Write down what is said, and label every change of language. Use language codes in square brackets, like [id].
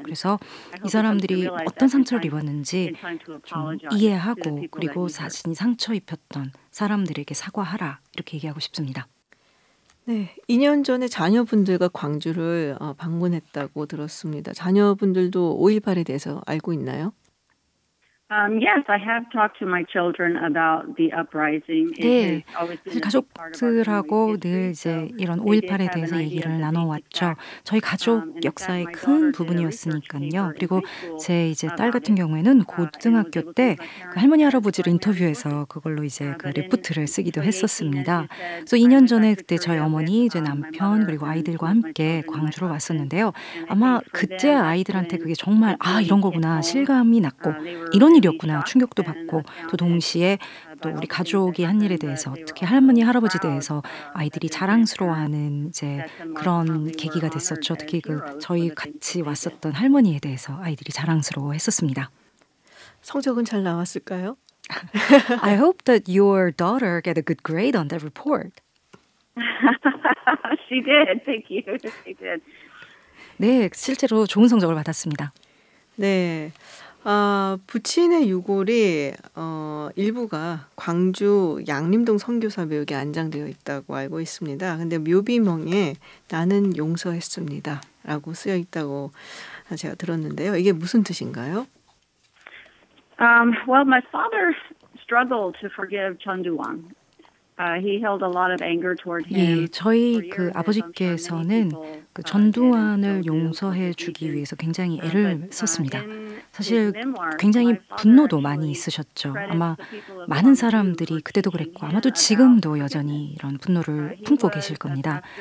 [ko] 그래서 이 사람들이 어떤 상처를 입었는지 좀 이해하고 그리고 자신이 상처 입혔던 사람들에게 사과하라. 이렇게 얘기하고 싶습니다. 네, 2년 전에 자녀분들과 광주를 방문했다고 들었습니다. 자녀분들도 5.18에 대해서 알고 있나요? [en] Yes, I have talked to my children about the uprising. [ko] 네, 사실 가족들하고 늘 이제 이런 5.18에 대해서 얘기를 나눠왔죠. 저희 가족 역사의 큰 부분이었으니까요. 그리고 제 이제 딸 같은 경우에는 고등학교 때 그 할머니 할아버지를 인터뷰해서 그걸로 이제 그 리포트를 쓰기도 했었습니다. 그래서 2년 전에 그때 저희 어머니, 제 남편 그리고 아이들과 함께 광주로 왔었는데요. 아마 그때 아이들한테 그게 정말 아 이런 거구나 실감이 났고 이런 이런 일이었구나 충격도 받고 또 동시에 또 우리 가족이 한 일에 대해서 특히 할머니 할아버지 대해서 아이들이 자랑스러워하는 이제 그런 계기가 됐었죠. 특히 그 저희 같이 왔었던 할머니에 대해서 아이들이 자랑스러워했었습니다. 성적은 잘 나왔을까요? [en] I hope that your daughter get a good grade on that report. She did. Thank you. She did. [ko] 네, 실제로 좋은 성적을 받았습니다. 네, 아, 부친의 유골이 일부가 광주 양림동 선교사 묘에 안장되어 있다고 알고 있습니다. 그런데 묘비명에 나는 용서했습니다 라고 쓰여 있다고 제가 들었는데요. 이게 무슨 뜻인가요? [en] Well, my father struggled to forgive Chun Doo-hwan. He held a lot of anger toward him. [ko] 예, 저희 그 아버지께서는 그 전두환을 용서해 주기 위해서 굉장히 애를 썼습니다. 사실 굉장히 분노도 많이 있으셨죠. 아마 많은 사람들이 그때도 그랬고 아마도 지금도 여전히 이런 분노를 품고 계실 겁니다.